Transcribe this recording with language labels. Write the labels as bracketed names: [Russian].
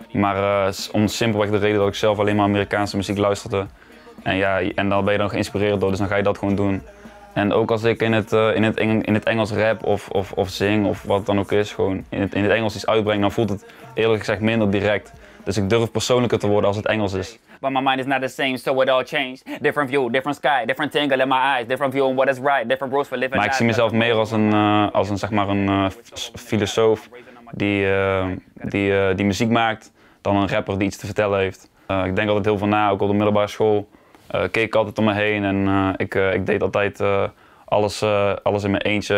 [Dutch] Maar om simpelweg de reden dat ik zelf alleen maar Amerikaanse muziek luisterde. En dan ben je dan geïnspireerd door, dus dan ga je dat gewoon doen. En ook als ik in het Engels rap of zing of wat het dan ook is, gewoon in het Engels iets uitbreng, dan voelt het eerlijk gezegd minder direct. Dus ik durf persoonlijker te worden als het Engels is. [English] But my mind is not the same, so it all changed. Different view, different sky, different tingle in my eyes. Different view on what is right, different rules for living. [Dutch] Maar ik zie mezelf meer als een filosoof die muziek maakt dan een rapper die iets te vertellen heeft. Ik denk altijd heel veel na, ook op de middelbare school. Keek ik altijd om me heen en ik deed altijd alles in mijn eentje.